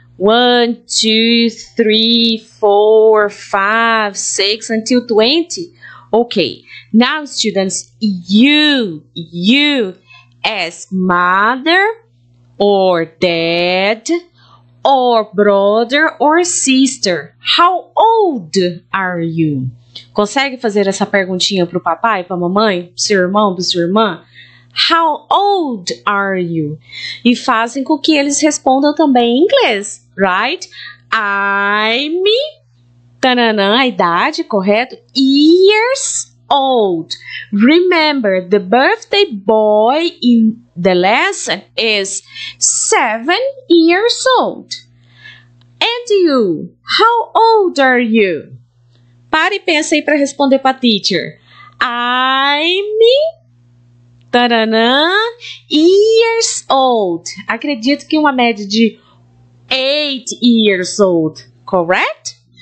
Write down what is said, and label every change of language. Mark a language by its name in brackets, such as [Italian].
[English] 1, 2, 3, 4, 5, 6, until 20. Okay, now students, you ask mother or dad or brother or sister, how old are you? [Portuguese] Consegue fazer essa perguntinha pro papai, pra mamãe, pro seu irmão, pra sua irmã? [English] How old are you? [Portuguese] E fazem com que eles respondam também em inglês, right? I'm, tanana, a idade, correto? [English] Years old. Remember, the birthday boy in the lesson is 7 years old. And you, how old are you? [Portuguese] Pare e pensa aí para responder para a teacher. I'm... Tadana, [English] years old. [Portuguese] Acredito que uma média de 8 years old, correct?